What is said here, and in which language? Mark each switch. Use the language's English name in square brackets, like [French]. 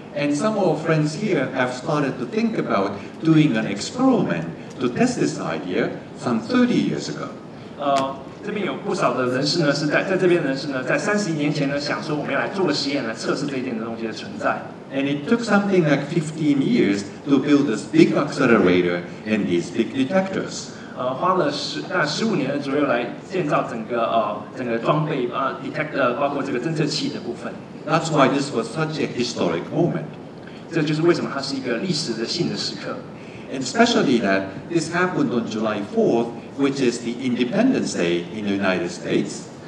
[English] And some of our friends here have started to think about doing an experiment to test this idea some 30 years ago. [Chinese] 这边有不少的人士呢，是在这边人士呢，在30年前呢，想说我们要来做个实验，来测试这一点的东西的存在。 [English] And it took something like 15 years to build this big accelerator and these big detectors. [Chinese] 花了大概15年左右来建造整个装备detector 包括这个侦测器的部分。 [English] That's why this was such a historic moment. [Chinese] 这就是为什么它是一个历史的性的时刻。 [English] And especially that this happened on July 4th, which is the Independence Day in the United States.